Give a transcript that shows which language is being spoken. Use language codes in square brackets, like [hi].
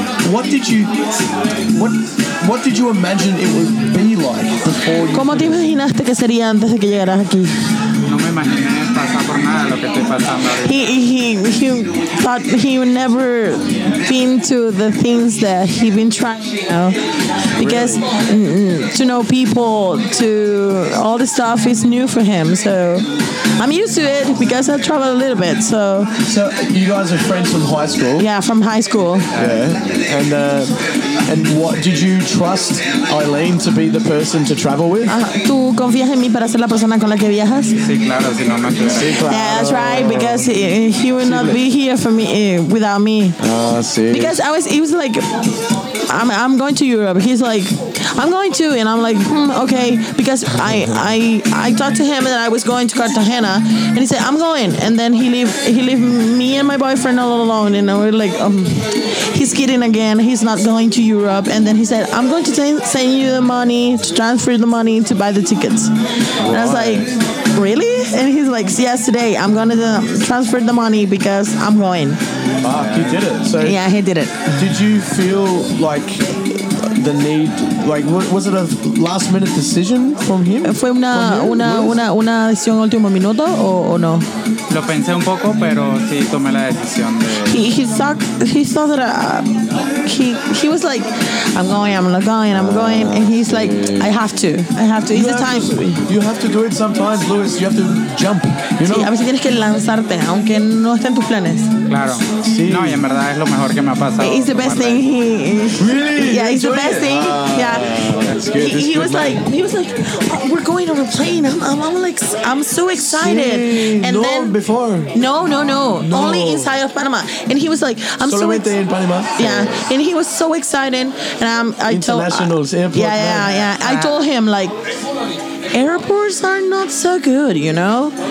[en] What did you imagine it would be like before you... [es] ¿Cómo te imaginaste que sería antes de que llegaras aquí? No me imaginé pasar por nada lo que estoy pasando ahora. [en] He thought he would never been to the things that he been trying, you know? Because to know people, to all the stuff is new for him. So I'm used to it because I travel a little bit. So you guys are friends from high school? Yeah, from high school. Yeah. And what did you trust Eileen to be the person to travel with? [es] ¿Tú confías en mí para ser la persona con la que viajas? Sí, claro, si no me quedas. [en] Yeah, that's right, because he would not be here for me without me. [es] Ah, sí. [en] Because he was like, I'm going to Europe. He's like, I'm going too, and I'm like, okay, because I talked to him that I was going to Cartagena, and he said I'm going, and then he leave me and my boyfriend all alone, and we're like, he's kidding again. He's not going to Europe. Europe, and then he said, I'm going to send you the money, to transfer the money to buy the tickets. Why? And I was like, really? And he's like, yes, today I'm going to transfer the money because I'm going. Fuck, he did it. So yeah, he did it. Did you feel like the need, like, was it a last minute decision from him? [es] Fue una decisión último minuto o no? Lo pensé un poco, pero sí tomé la decisión de... [en] He was like, I'm going, and he's like, I have to. It's the time. You have to do it sometimes, Luis. You have to jump, you know? [es] Sí, a veces tienes que lanzarte, aunque no estén tus planes. Claro. Sí. No, y en verdad es lo mejor que me ha pasado. [en] It's the best thing. Really? Yeah, it's the best thing. Yeah. He was like, oh, we're going on a plane. I'm like, I'm so excited. [es] Sí. [en] Only inside of Panama. And he was like, I'm so excited in Panama. Yeah. And he was so excited. And I told him, like, airports are not so good, you know?